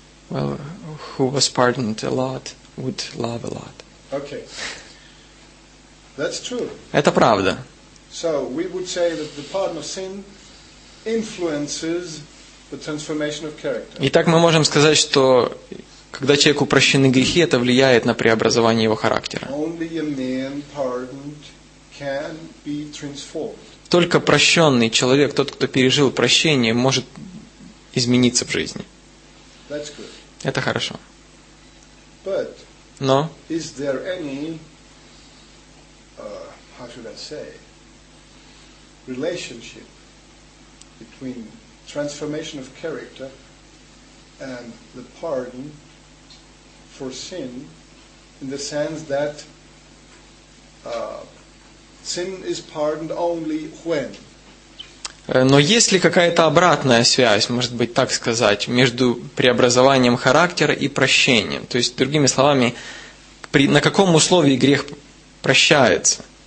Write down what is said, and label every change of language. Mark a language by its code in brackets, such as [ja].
[en] Well, who was pardoned a lot would love a lot. Okay. That's true. [ru] Это правда. [en] So we would say that the pardon of sin influences the transformation of character. [ru] Итак, мы можем сказать, что когда человеку прощены грехи, это влияет на преобразование его характера. [en] Only a man pardoned can be transformed. [ru] Только прощенный человек, тот, кто пережил прощение, может измениться в жизни. [en] That's good. [ru] Это хорошо. [en] But [ru] но [en] is there any, how should I say, relationship between transformation of character and the pardon for sin in the sense that sin is pardoned only when? [ru] Но есть ли какая-то обратная связь, может быть, так сказать, между преобразованием характера и прощением? То есть, другими словами, на каком условии грех прощается?